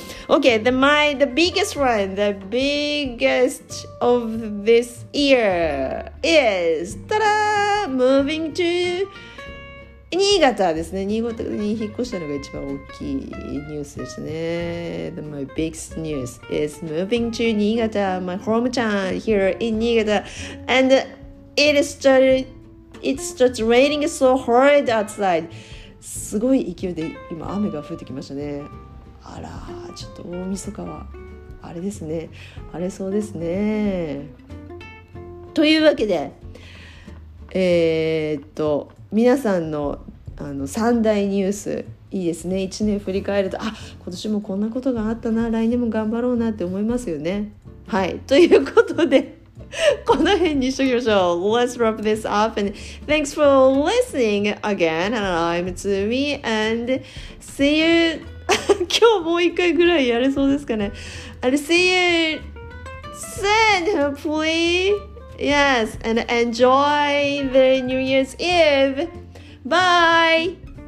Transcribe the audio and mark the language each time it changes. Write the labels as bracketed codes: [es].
[en] OK, the biggest one, the biggest of this year is、 ta-da! moving to 新潟ですね。 [ja] 新潟に引っ越したのが一番大きいニュースですね。 [en] the, my biggest news is moving to 新潟、 my hometown here in 新潟、 and it started raining so hard outside。 [ja] すごい勢いで今雨が降ってきましたね。あら、ちょっと大晦日はあれですね、荒れそうですね。というわけで、皆さん の三大ニュースいいですね。 1年振り返ると、あ、今年もこんなことがあったな、来年も頑張ろうなって思いますよね。はい、ということでこの辺にしときましょう。 [en] Let's wrap this up and thanks for listening again. I'm Tsumi and see you [ja] 今日もう一回ぐらいやれそうですかね。 [en] And see you soon, hopefully. Yes, and enjoy the New Year's Eve. Bye!